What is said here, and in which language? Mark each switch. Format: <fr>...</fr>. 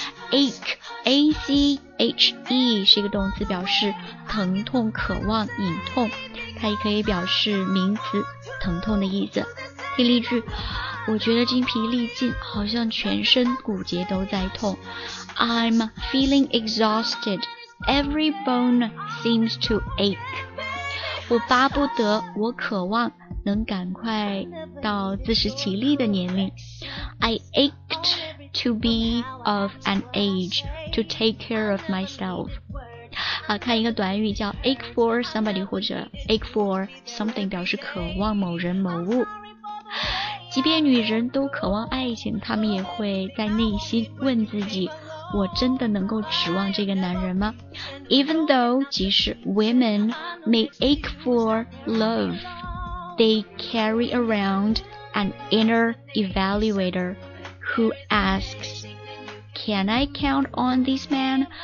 <zh>ache A-C-H-E 是一个动词，表示疼痛、渴望、隐痛，它也可以表示名词，疼痛的意思。听例句，我觉得精疲力尽，好像全身骨节都在痛。</zh> <en>I'm feeling exhausted, every bone seems to ache.</en> <zh>我巴不得，我渴望，能赶快到自食其力的年龄。</zh> <en>I ached to be of an age to take care of myself.</en> <zh>好，看一个短语叫 ache for somebody 或者 ache for something 表示渴望某人某物。即便女人都渴望爱情，她们也会在内心问自己，我真的能够指望这个男人吗？</zh> <en>Even though,</en> <zh>即使</zh> <en>women may ache for love, they carry around an inner evaluator who asks, Can I count on this man?</en>